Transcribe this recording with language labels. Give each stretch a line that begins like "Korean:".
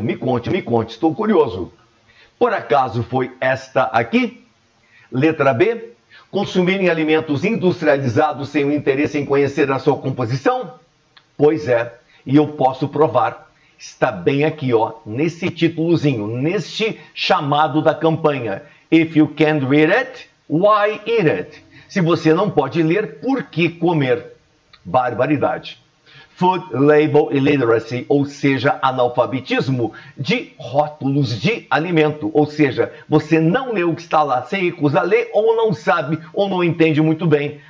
Portuguese: Me conte, estou curioso. Por acaso foi esta aqui? Letra B? Consumirem alimentos industrializados sem o interesse em conhecer a sua composição? Pois é, e eu posso provar. Está bem aqui, ó, nesse titulozinho, neste chamado da campanha.
English: If you can't read it, why eat it?
Portuguese: Se você não pode ler, por que comer? Barbaridade.
English: Food label illiteracy,
Portuguese: ou seja, analfabetismo de rótulos de alimento. Ou seja, você não lê o que está lá, se recusa a ler ou não sabe ou não entende muito bem.